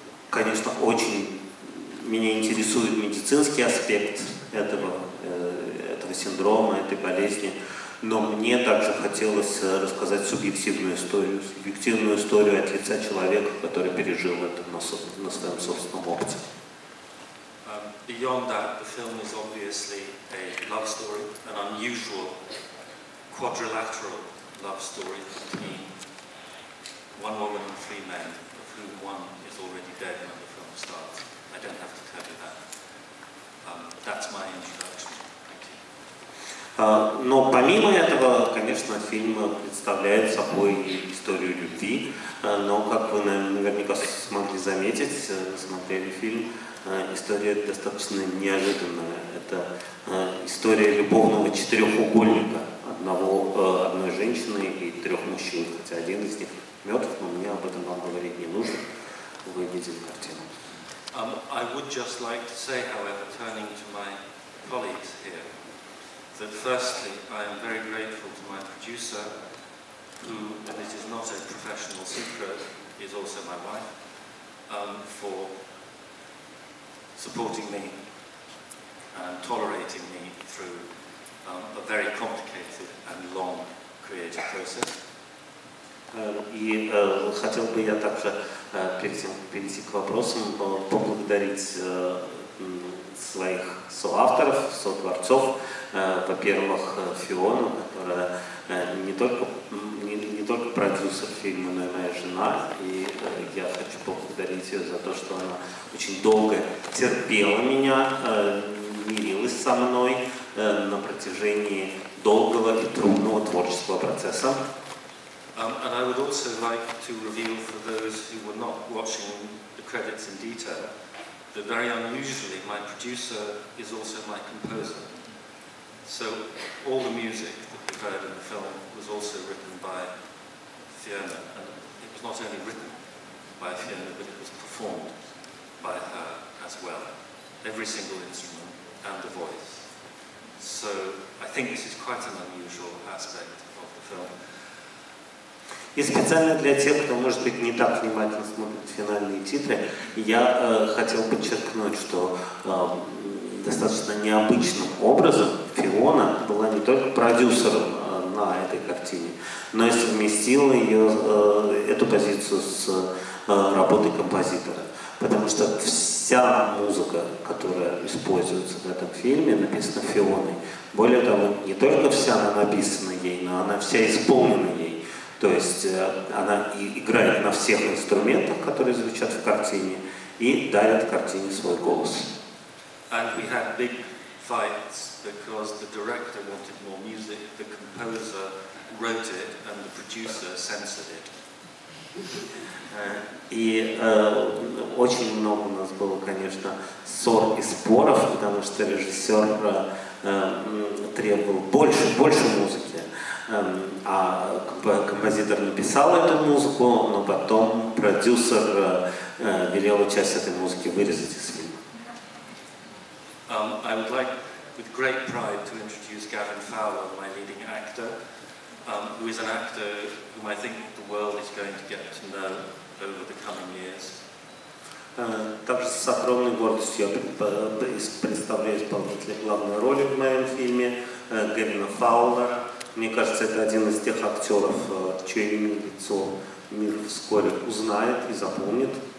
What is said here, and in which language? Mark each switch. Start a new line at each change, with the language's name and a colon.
Russian: Конечно, меня интересует медицинский аспект этого синдрома, этой болезни, но мне также хотелось рассказать субъективную историю от лица человека, который пережил это на своем собственном опыте.
English: Beyond that, the film is obviously a love story, an unusual quadrilateral love story between one woman and three men, of whom one is already dead when the film starts. I don't have to tell you that. That's my introduction.
Russian: Но помимо этого, конечно, фильм представляет собой историю любви, но, как вы наверняка смогли заметить, смотрели фильм, история достаточно неожиданная. Это история любовного четырехугольника одной женщины и трех мужчин, хотя один из них мертв, но мне об этом вам говорить не нужно. Вы видели картину.
English: I would just like to say, however, turning to my colleagues here, that firstly, I am very grateful to my producer, who, and it is not a professional secret, is also my wife, for supporting me and tolerating me through a very complicated and long creative process.
Russian: Хотел бы я также перейти к вопросам, поблагодарить своих соавторов, сотворцов. Во-первых, Фиону, которая не только продюсер фильма, но и моя жена. И я хочу поблагодарить ее за то, что она очень долго терпела меня, мирилась со мной на протяжении долгого и трудного творческого процесса.
English: And I would also like to reveal for those who were not watching the credits in detail that very unusually my producer is also my composer. So all the music that we heard in the film was also written by Fiona, and it was not only written by Fiona, but it was performed by her as well. Every single instrument and the voice. So I think this is quite an unusual aspect of the film.
Russian: И специально для тех, кто, может быть, не так внимательно смотрит финальные титры, я хотел подчеркнуть, что достаточно необычным образом Фиона была не только продюсером на этой картине, но и совместила ее, эту позицию с работой композитора. Потому что вся музыка, которая используется в этом фильме, написана Фионой. Более того, не только вся она написана ей, но она вся исполнена ей. То есть она играет на всех инструментах, которые звучат в картине, и дарит картине свой голос.
English: And we had big fights because the director wanted more music, the composer wrote it, and the producer censored it.
Russian: И очень много у нас было, конечно, ссор и споров, потому что режиссер требовал больше музыки. А композитор написал эту музыку, но потом продюсер велел часть этой музыки вырезать из фильма.
English: I would like, with great pride, to introduce Gavin Fowler, my leading actor, who is an actor whom I think the world is going to get to know over the coming years.
Russian: Также с огромной гордостью я представляю исполнителя главной роли в моем фильме Гавина Фаулера. Мне кажется, это один из тех актеров, чье имя лицо мир вскоре узнает и запомнит.